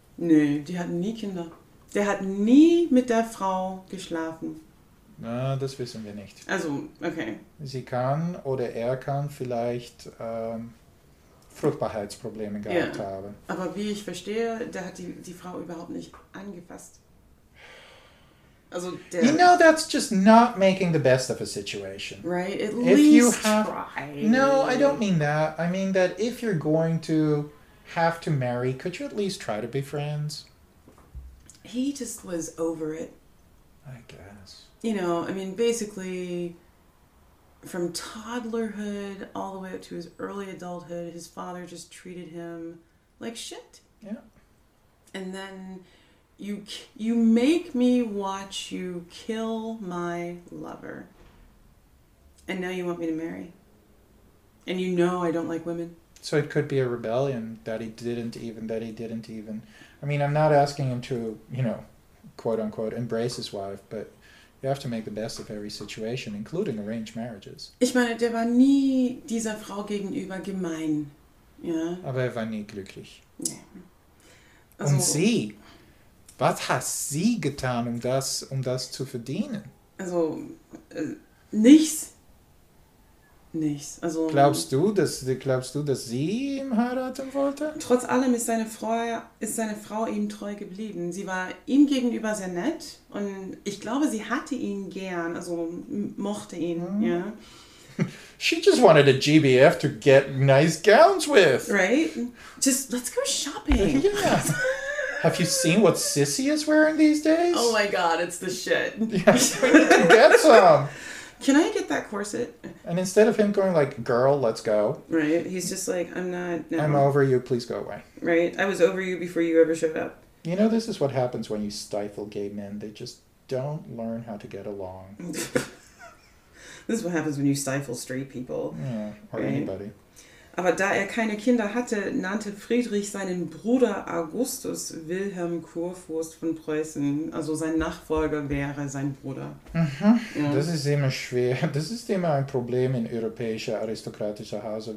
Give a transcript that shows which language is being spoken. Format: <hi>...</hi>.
<de>Nee, die hatten nie Kinder. Der hat nie mit der Frau geschlafen. Na, das wissen wir nicht. Also, okay. Sie kann oder er kann vielleicht Fruchtbarkeitsprobleme gehabt haben. Aber wie ich verstehe, der hat die Frau überhaupt nicht angefasst. Also der.</de> <en>You know, that's just not making the best of a situation. Right? At if least you have, try. No, I don't mean that. I mean that if you're going to have to marry, could you at least try to be friends? He just was over it. I guess. You know, I mean, basically, from toddlerhood all the way up to his early adulthood, his father just treated him like shit. Yeah. And then you make me watch you kill my lover. And now you want me to marry. And you know I don't like women. So it could be a rebellion that he didn't even... I mean, I'm not asking him to, you know, quote-unquote, embrace his wife, but you have to make the best of every situation, including arranged marriages.</en> <de>Ich meine, der war nie dieser Frau gegenüber gemein, ja? Aber er war nie glücklich. Nee. Also, und sie? Was hat sie getan, um das zu verdienen? Also, nichts. Nichts. Also, glaubst du, dass sie ihn heiraten wollte? Trotz allem ist seine Frau ihm treu geblieben. Sie war ihm gegenüber sehr nett und ich glaube, sie hatte ihn gern, also mochte ihn, ja.</de> <en>She just wanted a GBF to get nice gowns with. Right? Just, let's go shopping. Yeah. Have you seen what Sissy is wearing these days? Oh my god, it's the shit. Yes, we need to get some. Can I get that corset? And instead of him going like, girl, let's go. Right. He's just like, I'm not. No. I'm over you. Please go away. Right. I was over you before you ever showed up. You know, this is what happens when you stifle gay men. They just don't learn how to get along. This is what happens when you stifle straight people. Yeah. Or right? Anybody.</en> <de>Aber da er keine Kinder hatte, nannte Friedrich seinen Bruder Augustus Wilhelm Kurfürst von Preußen. Also sein Nachfolger wäre sein Bruder. Mhm. Ja. Das ist immer schwer. Das ist immer ein Problem in europäischer aristokratischer Hauser.</de>